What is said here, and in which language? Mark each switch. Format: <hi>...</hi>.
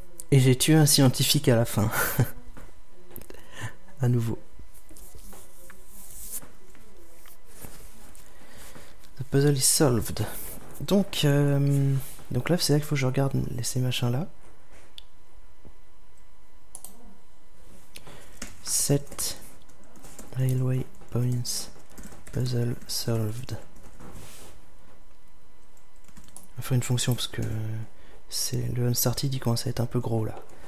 <fr>Et j'ai tué un scientifique à la fin. À nouveau.</fr> <en>The puzzle is solved.</en> <fr>Donc là, c'est là qu'il faut que je regarde ces machins-là.</fr> <en>7 railway points puzzle solved.</en> <fr>Enfin, une fonction parce que. C'est le Unstarted, il commence à être un peu gros là.</fr>